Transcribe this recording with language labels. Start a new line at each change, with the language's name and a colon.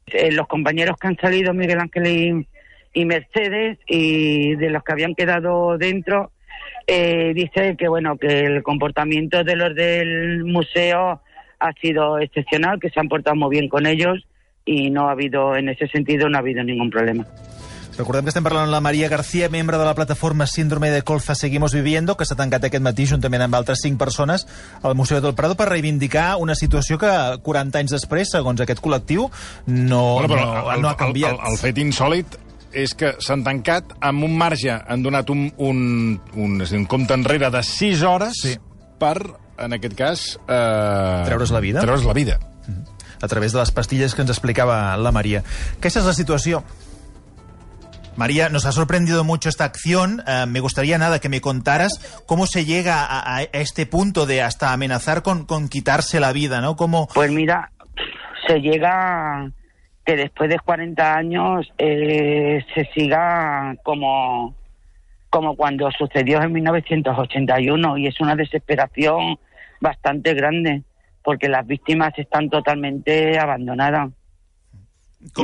Spanish: Los compañeros que han salido, Miguel Ángel y Mercedes, y de los que habían quedado dentro, dice que bueno, que el comportamiento de los del museo ha sido excepcional, que se han portado muy bien con ellos y no ha habido, en ese sentido, no ha habido ningún problema.
Catalan: Recordem que estem parlant amb la Maria García, membre de la plataforma Síndrome de Colza Seguimos Viviendo, que s'ha tancat aquest matí juntament amb altres 5 persones al Museu del Prado per reivindicar una situació que 40 anys després, segons aquest col·lectiu, no ha canviat. El fet insòlid és que s'han tancat amb un marge, han donat un compte enrere de 6 hores sí, per, en aquest cas, treure's la vida. Treure's la vida. A través de les pastilles que ens explicava la Maria. Aquesta és la situació.
Spanish: María, nos ha sorprendido mucho esta acción. Me gustaría nada que me contaras cómo se llega a este punto de hasta amenazar con quitarse la vida, ¿no? ¿Cómo? Pues mira, se llega que después de 40 años se siga como cuando sucedió en 1981, y es una desesperación bastante grande, porque las víctimas están totalmente abandonadas. ¿Cómo?